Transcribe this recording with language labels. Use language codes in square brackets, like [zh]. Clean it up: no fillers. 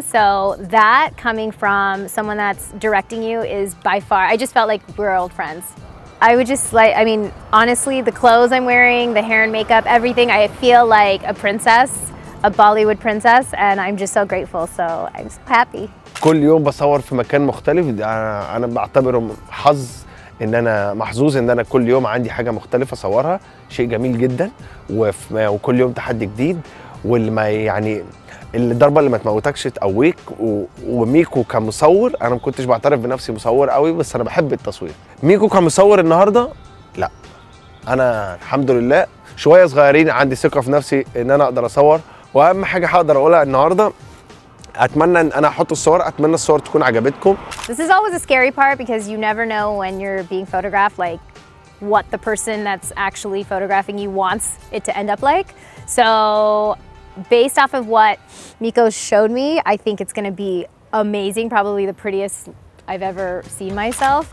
[en] So that coming from someone that's directing you is by far, I just felt like we're old friends. I would just like, I mean, honestly, the clothes I'm wearing, the hair and makeup, everything, I feel like a princess, a Bollywood princess, and I'm just so grateful. So I'm so happy. [ar] كل يوم بصور في مكان مختلف. أنا بعتبره حظ إن أنا محظوظ إن أنا كل يوم عندي حاجة مختلفة صورها، شيء جميل جدا، وكل يوم تحدي جديد، واللي ما يعني الضربة اللي ما تموتكش تقويك. وميكو كمصور، أنا ما كنتش بعترف بنفسي مصور قوي بس أنا بحب التصوير. ميكو كمصور النهاردة لا، أنا الحمد لله شوية صغيرين، عندي ثقة في نفسي إن أنا أقدر أصور. وأهم حاجة هقدر أقولها النهاردة، أتمنى إن أنا أحط الصور، أتمنى الصور تكون عجبتكم. [en] This is always a scary part because you never know when you're being photographed like what the person that's actually photographing you wants it to end up like. So based off of what Miko showed me, I think it's gonna be amazing, probably the prettiest I've ever seen myself.